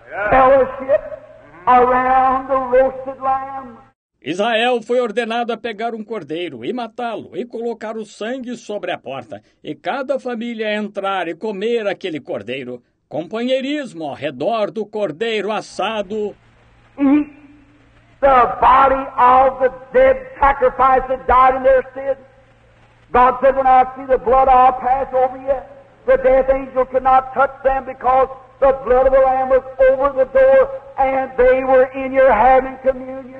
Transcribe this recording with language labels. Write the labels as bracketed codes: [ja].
[en] Fellowship around the roasted lamb. [pt] Israel foi ordenado a pegar um cordeiro e matá-lo e colocar o sangue sobre a porta e cada família entrar e comer aquele cordeiro. Companheirismo ao redor do cordeiro assado. [en] Eat the body of the dead sacrifice that died in their stead. God said, when I see the blood, I'll pass over you. The death angel could not touch them because the blood of the lamb was over the door and they were in your having communion.